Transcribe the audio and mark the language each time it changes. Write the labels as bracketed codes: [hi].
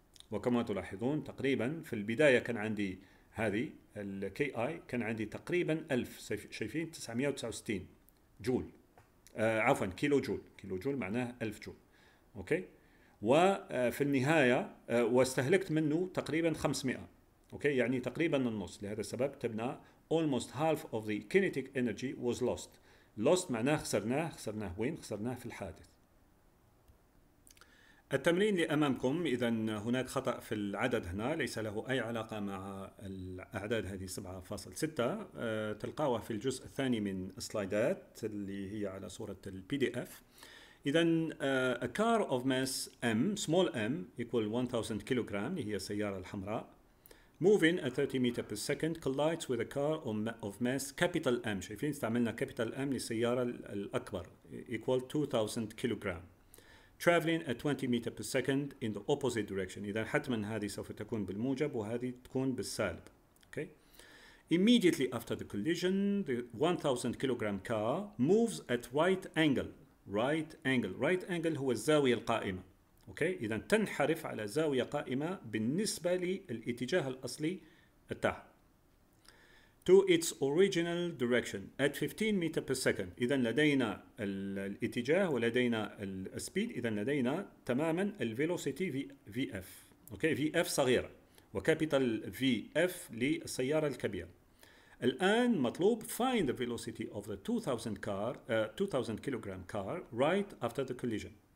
[ar] وكما تلاحظون تقريبا في البداية كان عندي هذه الـ KI كان عندي تقريبا 1000 شايفين 969 جول عفوا كيلو جول، كيلو جول معناه 1000 جول اوكي. وفي النهاية واستهلكت منه تقريبا 500 اوكي، يعني تقريبا النص. لهذا السبب كتبنا [en] almost half of the kinetic energy was lost. [ar] lost معناه خسرناه، خسرناه وين؟ خسرناه في الحادث. التمرين اللي أمامكم إذا هناك خطأ في العدد هنا ليس له أي علاقة مع الأعداد هذه 7.6 تلقاوه في الجزء الثاني من السلايدات اللي هي على صورة الـ PDF. [en] إذا a car of mass M small m equal 1000 kilogram [ar] اللي هي السيارة الحمراء [en] moving at 30 meter per second collides with a car of mass capital M [ar] شايفين استعملنا capital M للسيارة الأكبر [en] equal 2000 kilogram traveling at 20 meters per second in the opposite direction. [ar] إذا حتما هذه سوف تكون بالموجب وهذه تكون بالسالب. [en] Okay. Immediately after the collision, the 1,000 kilogram car moves at right angle. Right angle. [ar] Right angle هو الزاوية القائمة. [en] Okay. [ar] إذا تنحرف على زاوية قائمة بالنسبة للاتجاه الأصلي التاه. [en] To its original direction at 15 meter per second. [ar] إذا لدينا الاتجاه ولدينا السبيد. إذا لدينا تماما الفيلوسيتي VF. [en] Okay. VF صغيرة. [ar] وكابيتال VF للسيارة الكبيرة. الآن مطلوب [en] find the velocity of the 2000 car 2000 kilogram car right after the collision.